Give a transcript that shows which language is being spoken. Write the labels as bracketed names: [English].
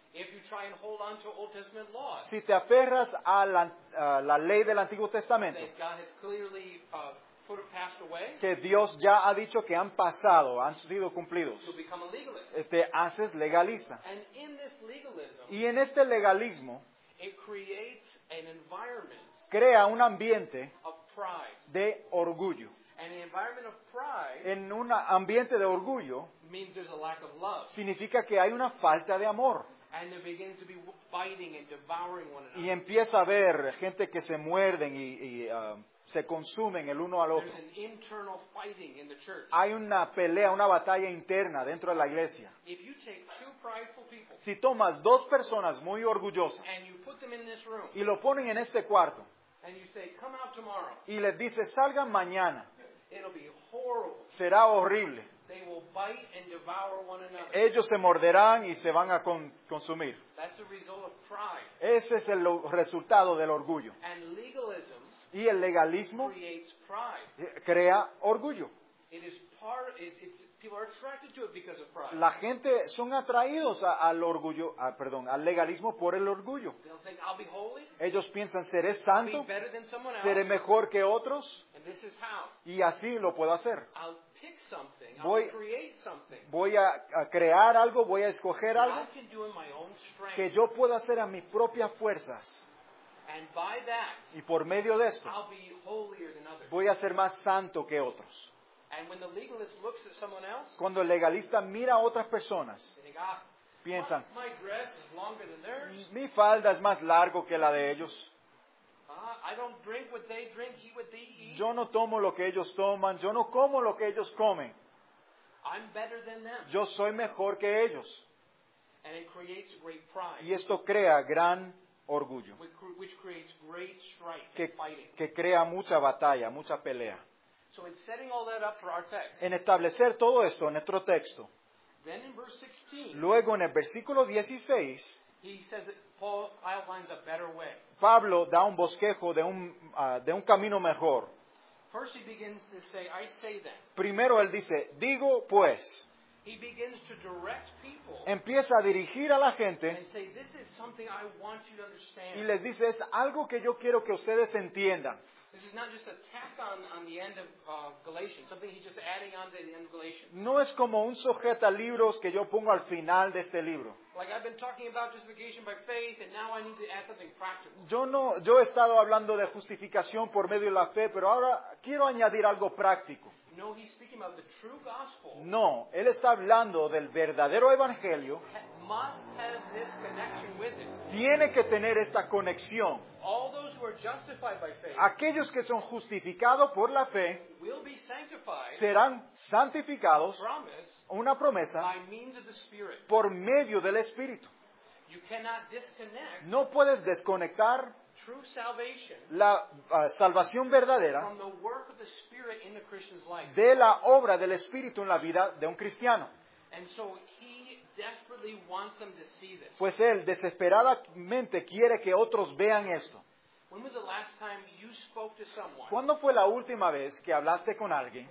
[English] If you try and hold on to Old Testament laws, [Spanish] si te aferras a la ley del Antiguo Testamento, [English] that God has clearly, put it passed away, [Spanish] que Dios ya ha dicho que han pasado, han sido cumplidos, [English] to become a legalist, [Spanish] te haces legalista. [English] And in this legalism, [Spanish] y en este legalismo, [English] it creates an environment, [Spanish] crea un ambiente [English] of pride, [Spanish] de orgullo. [English] And the environment of pride, [Spanish] en un ambiente de orgullo, [English] means there's a lack of love, [Spanish] significa que hay una falta de amor. [English] And they begin to be biting and devouring one another. [Spanish] Y empieza a haber gente que se muerden y se consumen el uno al otro. [English] There's an internal fighting in the church. [Spanish] Hay una pelea, una batalla interna dentro de la iglesia. [English] If you take two prideful people, [Spanish] si tomas dos personas muy orgullosas, [English] and you put them in this room, [Spanish] y lo ponen en este cuarto, [English] and you say, come out tomorrow, [Spanish] y les dice, salgan mañana, [English] it'll be horrible. [Spanish] Será horrible. [English] They will bite and devour one another. [Spanish] Ellos se morderán y se van a consumir. [English] That's the result of pride. [Spanish] Ese es el resultado del orgullo. [English] And legalism, [Spanish] y el legalismo [English] creates pride. [Spanish] Crea orgullo. [English] It is part, it's, people are attracted to it because of pride. [Spanish] La gente son atraídos al legalismo por el orgullo. [English] They'll think, I'll be holy. [Spanish] Ellos piensan, seré santo, [English] I'll be better than someone else. [Spanish] Seré mejor que otros. [English] And this is how. [Spanish] Y así lo puedo hacer. [English] I'll pick something. I'll create something. [Spanish] Voy a crear algo, voy a escoger algo [English] I can do in my own strength. [Spanish] Que yo pueda hacer a mis propias fuerzas. [English] And by that, [Spanish] y por medio de esto, [English] I'll be holier than others. [Spanish] Voy a ser más santo que otros. [English] And when the legalist looks at someone else, [Spanish] cuando el legalista mira a otras personas, [English] think, ah, [Spanish] piensan, [English] my dress is longer than theirs. [Spanish] Mi falda es más largo que la de ellos. [English] I don't drink what they drink, eat what they eat. [Spanish] Yo no tomo lo que ellos toman, yo no como lo que ellos comen. [English] I'm better than them. [Spanish] Yo soy mejor que ellos. [English] And it creates great pride. [Spanish] Y esto crea gran orgullo, [English] which creates great strife, [Spanish] que crea mucha batalla, mucha pelea. [English] So in setting all that up for our text, [Spanish] en establecer todo esto en nuestro texto, [English] then in verse 16, [Spanish] luego en el versículo 16, [English] he says that Paul outlines a better way. [Spanish] Pablo da un bosquejo de un camino mejor. [English] First he begins to say, I say then. [Spanish] Primero él dice, digo pues. [English] He begins to direct people, [Spanish] empieza a dirigir a la gente, [English] and say, this is something I want you to understand. [Spanish] Y les dice, es algo que yo quiero que ustedes entiendan. [English] This is not just a tack on the end of Galatians, something he's just adding on to the end of Galatians. [Spanish] No es como un sujeta libros que yo pongo al final de este libro. [English] Like I've been talking about justification by faith, and now I need to add something practical. [Spanish] Yo he estado hablando de justificación por medio de la fe, pero ahora quiero añadir algo práctico. [English] No, he's speaking about the true gospel. [Spanish] No, él está hablando del verdadero evangelio. [English] Must have this connection with it. [Spanish] Tiene que tener esta conexión. [English] All those who are justified by faith, [Spanish] aquellos que son justificados por la fe, [English] will be sanctified, [Spanish] serán santificados, una promesa, [English] by means of the Spirit, [Spanish] por medio del Espíritu. [English] You cannot disconnect, [Spanish] no puedes desconectar [English] true salvation, [Spanish] la salvación verdadera, [English] from the work of the Spirit in the Christian's life, [Spanish] de la obra del Espíritu en la vida de un cristiano. [English] And so he desperately wants them to see this. [Spanish] Pues él desesperadamente quiere que otros vean esto. [English] When was the last time you spoke to someone? [Spanish] ¿Cuándo fue la última vez que hablaste con alguien?